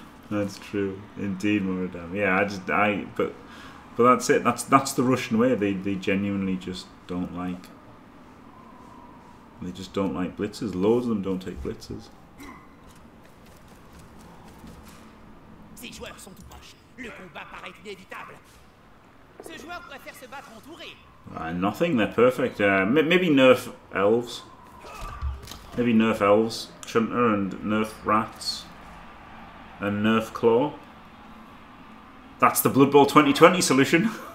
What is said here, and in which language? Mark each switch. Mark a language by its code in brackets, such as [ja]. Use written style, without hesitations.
[en] That's true. Indeed, Muradam. Yeah, but that's it. That's the Russian way. They genuinely just don't like. They just don't like blitzers. Loads of them don't take blitzers. [fr] Ces joueurs sont tout proches. Le combat paraît inévitable. Ces joueurs préfèrent se battre entourés. [en] Nothing, they're perfect. Maybe nerf elves. Maybe nerf elves, Chunter, and nerf rats, and nerf claw. That's the Blood Bowl 2020 solution.